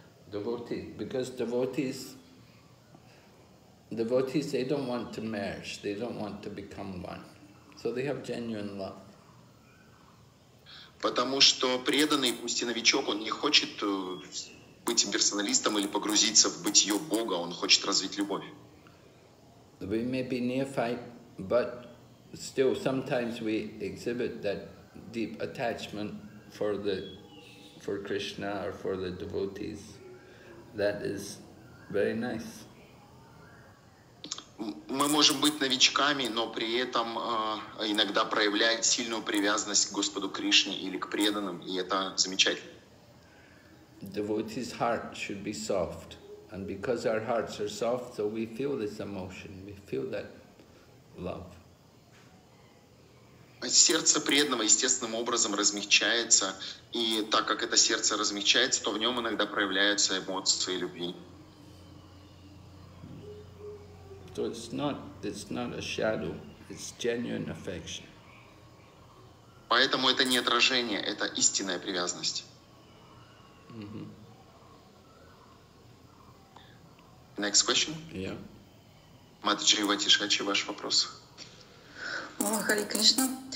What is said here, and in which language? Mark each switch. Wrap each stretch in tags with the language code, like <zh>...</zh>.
<en>Devotee, because devotees, they don't want to merge, they don't want to become one. So they have genuine love.</en> <ru>Потому что преданный, пусть и новичок, он не хочет быть имперсоналистом или погрузиться в бытие Бога, он хочет развить любовь.</ru> <en>We may be neophyte, but still sometimes we exhibit that deep attachment for Krishna or for the devotees. That is very nice.</en> <ru>Мы можем быть новичками, но при этом иногда проявлять сильную привязанность к Господу Кришне или к преданным, и это замечательно.</ru> <en>Devotee's heart should be soft, and because our hearts are soft, so we feel this emotion, we feel that love.</en> <ru>Сердце преданного естественным образом размягчается, и так как это сердце размягчается, то в нем иногда проявляются эмоции любви.</ru> <en>So it's not a shadow, it's genuine affection.</en> <ru>Поэтому это не отражение, это истинная привязанность. Mm-hmm.</ru> <en>Next question? Yeah.</en> <ru>Матаджи Ватишачи, ваш вопрос. Хари Кришна.</ru>